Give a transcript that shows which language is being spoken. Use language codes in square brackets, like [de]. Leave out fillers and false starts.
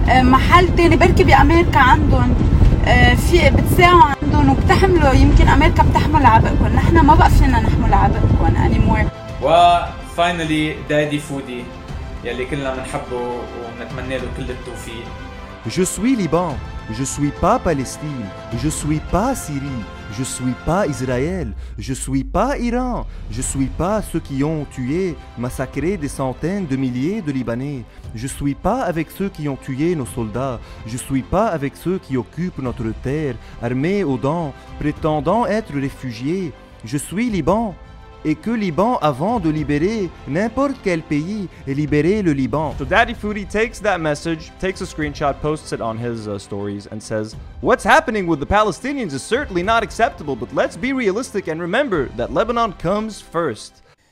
[ar] محل تاني بركي بأمريكا عندهم في بتساعوا عندهم وبتحملوا يمكن أمريكا بتحمل عبئكم نحنا ما بقى فينا نحمل عبئكم anymore وفاينالي دادي فودي يلي كلنا منحبه ومنتمنى له كل التوفيق [fr] Je suis Liban Je suis pas Palestine Je suis pas Syrie Je suis pas Israël Je suis pas Iran Je suis pas ceux qui ont tué, massacré des centaines de milliers de Libanais Je suis pas avec ceux qui ont tué nos soldats Je suis pas avec ceux qui occupent notre terre Armés aux dents, prétendant être réfugiés Je suis Liban Et que Liban, avant de libérer n'importe quel pays, libérer le Liban. [en] So Daddy Foodie takes that message, takes a screenshot, posts it on his stories and says, What's happening with the Palestinians is certainly not acceptable, but let's be realistic and remember that Lebanon comes first.